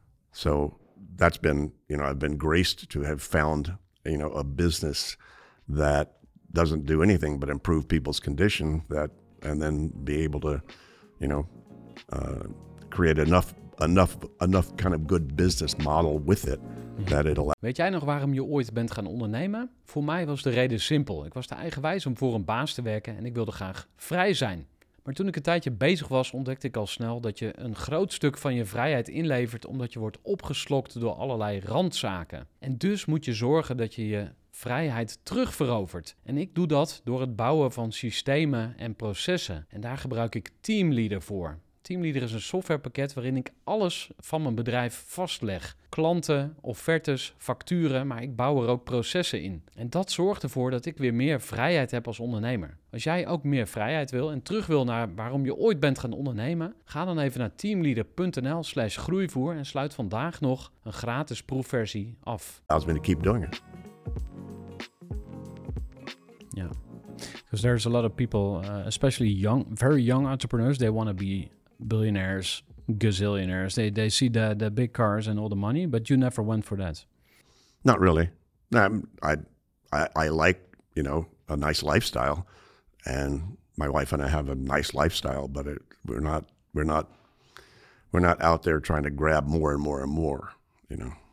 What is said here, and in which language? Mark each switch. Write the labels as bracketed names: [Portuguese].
[English] So that's been, you know, I've been graced to have found, you know, a business that doesn't do anything but improve people's condition, that, and then be able to, you know, create enough kind of good business model with it that it allows. [Dutch] Weet jij nog waarom je ooit bent gaan ondernemen? Voor mij was de reden simpel. Ik was te eigenwijs om voor een baas te werken en ik wilde graag vrij zijn. Maar toen ik een tijdje bezig was, ontdekte ik al snel dat je een groot stuk van je vrijheid inlevert omdat je wordt opgeslokt door allerlei randzaken. En dus moet je zorgen dat je je vrijheid terugverovert. En ik doe dat door het bouwen van systemen en processen. En daar gebruik ik Teamleader voor. Teamleader is een softwarepakket waarin ik alles van mijn bedrijf vastleg. Klanten, offertes, facturen, maar ik bouw er ook processen in. En dat zorgt ervoor dat ik weer meer vrijheid heb als ondernemer. Als jij ook meer vrijheid wil en terug wil naar waarom je ooit bent gaan ondernemen, ga dan even naar teamleader.nl/groeivoer en sluit vandaag nog een gratis proefversie af. [English] I'm going to keep doing it. Yeah. Because there's a lot of people, especially young, very young entrepreneurs, they want to be billionaires, gazillionaires. They see the big cars and all the money, but you never went for that. Not really. I like, you know, a nice lifestyle, and my wife and I have a nice lifestyle, but we're not out there trying to grab more and more and more, you know.